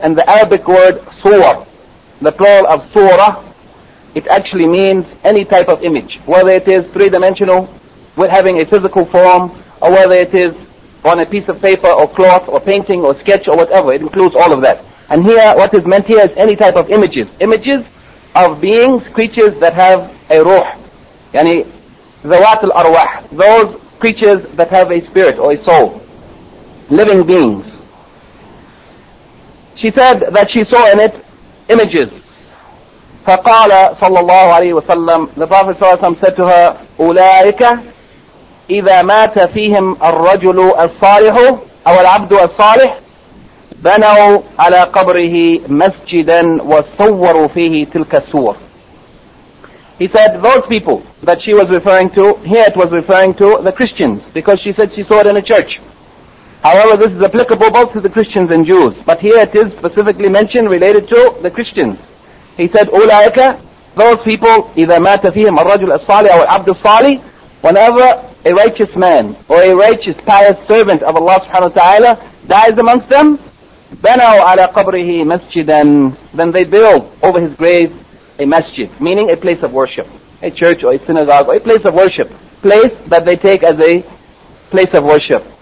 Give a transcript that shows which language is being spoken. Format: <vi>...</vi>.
<en>And the Arabic word surah, the plural of surah, it actually means any type of image, whether it is three-dimensional, with having a physical form, or whether it is on a piece of paper or cloth or painting or sketch or whatever. It includes all of that. And here, what is meant here is any type of images. Images of beings, creatures that have a ruh.</en> <ar>Yani, ذوات الأرواح.</ar> <en>Those creatures that have a spirit or a soul. Living beings. She said that she saw in it images.</en> <ar>فقال صلى الله عليه وسلم,</ar> <en>the Prophet</en> <ar>صلى الله عليه وسلم</ar> <en>said to her,</en> <ar>أولئك إذا مات فيهم الرجل الصالح أو العبد الصالح بنوا على قبره مسجدا وصوروا فيه تلك الصور.</ar> <en>He said, those people that she was referring to, here it was referring to the Christians, because she said she saw it in a church. However, this is applicable both to the Christians and Jews, but here it is specifically mentioned related to the Christians. He said, أولئك, those people,</en> <ar>إذا مات فيهم الرجل الصالح أو العبد الصالح,</ar> <en>whenever a righteous man or a righteous, pious servant of Allah subhanahu wa ta'ala dies amongst them,</en> <ar>بَنَوْا عَلَىٰ قَبْرِهِ مَسْجِدًا,</ar> <en>then they build over his grave a masjid, meaning a place of worship, a church or a synagogue or a place of worship, place that they take as a place of worship.</en>